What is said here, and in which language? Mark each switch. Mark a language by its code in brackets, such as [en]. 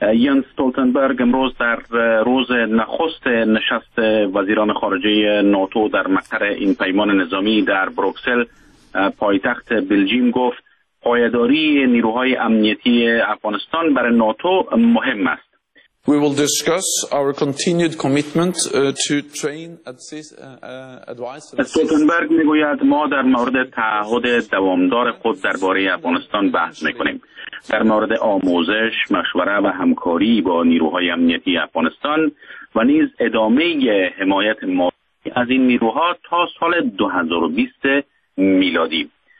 [fa] ینس ستولتنبرگ امروز در روز نخست نشست وزیران خارجه ناتو در مقر این پیمان نظامی در بروکسل پایتخت بلژیم گفت پایداری نیروهای امنیتی افغانستان برای ناتو مهم است. [en] We will discuss our continued commitment to train advice. [fa] استولتنبرگ میگوید ما در مورد تعهد دوامدار خود درباره افغانستان بحث میکنیم. در مورد آموزش، مشوره و همکاری با نیروهای امنیتی افغانستان و نیز ادامه حمایت مالی از این نیروها تا سال 2020 میلادی.